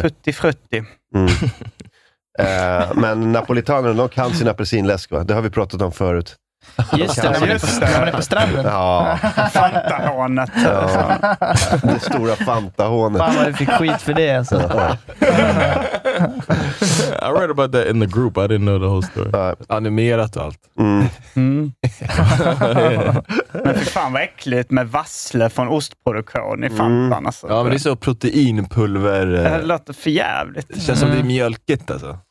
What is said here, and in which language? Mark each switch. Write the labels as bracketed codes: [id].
[it] Tutti frutti. [sv] Men napolitanerna, de kan sin apelsinläsk, va? Det har vi pratat om förut. Just det, när man är på stranden. Ja. Fantahånet. Ja. Det stora fantahånet. Fan vad jag fick skit för det. Alltså. [en] I read about that in the group, I didn't know the whole story. [sv] Animerat och allt. Men för fan vad äckligt med vassle från ostproduktion i fantan. Alltså. Ja, men det är så proteinpulver. Det låter för jävligt. Det känns som det är mjölkigt alltså.